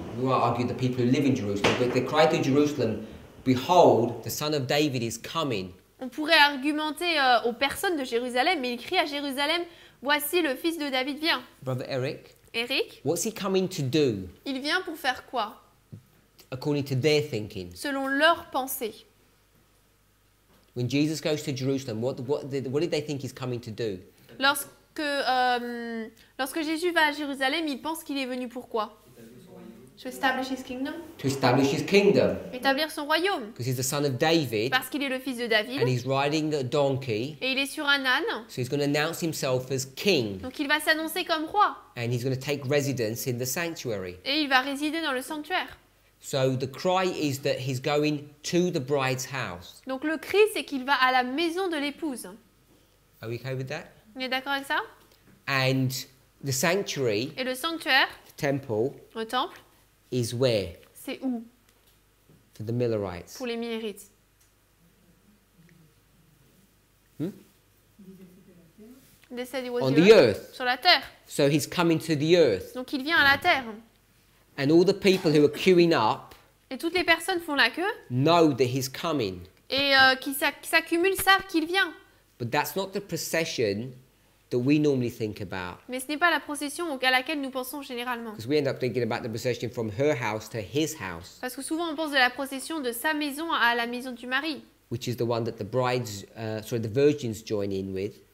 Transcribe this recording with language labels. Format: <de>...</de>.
<en>You are arguing the people who live in Jerusalem, but they cry to Jerusalem, behold, the son of David is coming.</en> <fr>On pourrait argumenter aux personnes de Jérusalem, mais ils crient à Jérusalem, voici le fils de David vient.</fr> <en>Brother Eric.</en> <fr>Eric.</fr> <en>What's he coming to do?</en> <fr>Il vient pour faire quoi?</fr> <en>According to their thinking.</en> <fr>Selon leur pensée.</fr> <en>When Jesus goes to Jerusalem, what did they think he's coming to do?</en> <fr>Lorsque Jésus va à Jérusalem, il pense qu'il est venu pour quoi?</fr> <en>To establish his kingdom. To establish his kingdom.</en> <fr>Établir son royaume.</fr> <en>Because he's the son of David.</en> <fr>Parce qu'il est le fils de David.</fr> <en>And he's riding a donkey.</en> <fr>Et il est sur un âne.</fr> <en>So he's going to announce himself as king.</en> <fr>Donc il va s'annoncer comme roi.</fr> <en>And he's going to take residence in the sanctuary.</en> <fr>Et il va résider dans le sanctuaire.</fr> <en>So the cry is that he's going to the bride's house.</en> <fr>Donc le cri c'est qu'il va à la maison de l'épouse.</fr> <en>Are we okay with that?</en> <fr>On est d'accord avec ça?</fr> <en>And the sanctuary.</en> <fr>Et le sanctuaire.</fr> <en>The temple.</en> <fr>Le temple.</fr> <en>Is where?</en> <fr>C'est où?</fr> <en>For the Millerites.</en> <fr>Pour les Millerites.</fr> <en>On the earth.</en> <fr>Sur la terre.</fr> <en>So he's coming to the earth.</en> <fr>Donc il vient à la terre.</fr> <en>And all the people who are queuing up.</en> <fr>Et toutes les personnes font la queue.</fr> <en>Know that he's coming.</en> <fr>Et qui s'accumulent savent qu'il vient.</fr> <en>But that's not the procession that we normally think about.</en> <fr>Mais ce n'est pas la procession à laquelle nous pensons généralement.</fr> <en>Because we end up thinking about the procession from her house to his house.</en> <fr>Parce que souvent on pense de la procession de sa maison à la maison du mari.</fr> <en>Which is the one that the brides, sorry, the virgins join in with.</en>